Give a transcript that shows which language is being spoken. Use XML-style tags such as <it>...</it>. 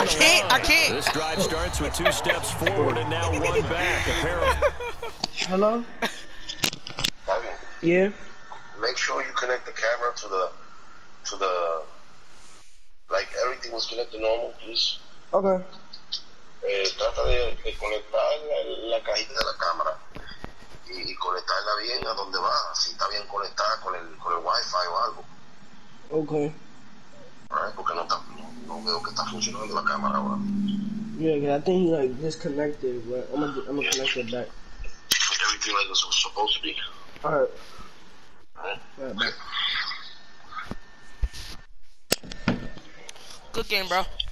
<en>I can't. This drive starts with 2 steps forward and now 1 back. Hello? Yeah. Make sure you connect the camera to the like everything was connected normal, please. Okay.</en> <es>Trata de conectar la cajita de la cámara y conectarla bien a donde va, si está bien conectada con el Wi-Fi o algo.</es> <en>Okay.</en> <es>Right, porque no veo que está funcionando la cámara ahora.</es> <en>Yeah, cause I think he like disconnected, but I'm gonna connect it back. Everything like this was supposed to be. All right. Good game, bro.</en>